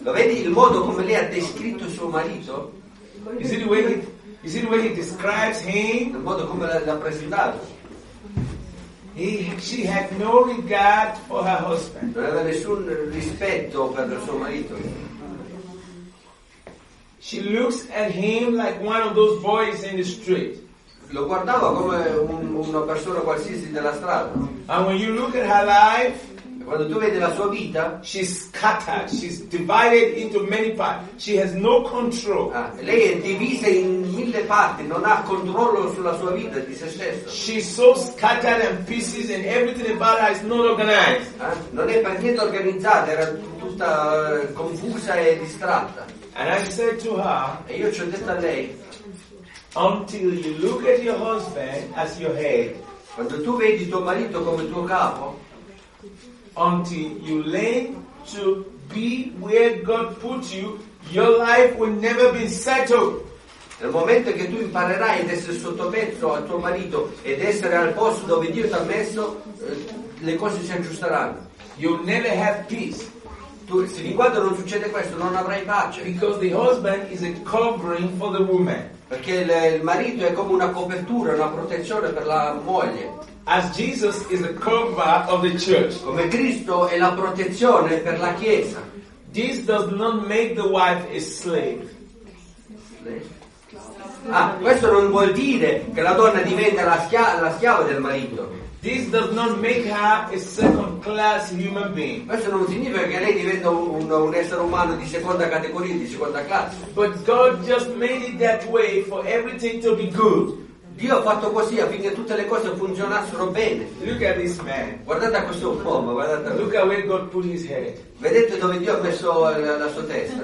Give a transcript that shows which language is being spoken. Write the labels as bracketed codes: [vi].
[it] Lo vedi il modo come lei ha descritto suo marito? [en] You see the way he describes him? [it] Il modo come l'ha presentato. [en] She had no regard for her husband. [it] Non aveva nessun rispetto per il suo marito. [en] She looks at him like one of those boys in the street. [it] Lo guardava come una persona qualsiasi della strada. [en] And when you look at her life, [it] quando tu vedi la sua vita, [en] she's scattered, she's divided into many parts, she has no control. [it] Lei è divisa in mille parti, non ha controllo sulla sua vita, di se stessa. [en] She's so scattered and pieces and everything about her is not organized. [it] Non è per niente organizzata, era tutta confusa e distratta. [en] And I said to her, [it] e io ci ho detto a lei, [en] until you look at your husband as your head, [it] quando tu vedi tuo marito come tuo capo, [en] until you learn to be where God put you, your life will never be settled. [it] Nel momento che tu imparerai ad essere sottomesso a tuo marito ed essere al posto dove Dio ti ha messo, le cose si aggiusteranno. [en] You'll never have peace. [it] Tu, se di quando non succede questo, non avrai pace. [en] Because the husband is a covering for the woman. [it] Perché il marito è come una copertura, una protezione per la moglie. [en] As Jesus is the cover of the church. [it] Come Cristo è la protezione per la chiesa. [en] This does not make the wife a slave. [it] Questo non vuol dire che la donna diventa la schiava del marito. [en] This does not make her a second class human being. [it] Questo non significa che lei diventa un essere umano di seconda categoria, di seconda classe. [en] But God just made it that way for everything to be good. [it] Dio ha fatto così affinché tutte le cose funzionassero bene. [en] Look at this man. [it] Guardate a questo uomo, guardate. [en] Look at where God put his head. [it] Vedete dove Dio ha messo la sua testa.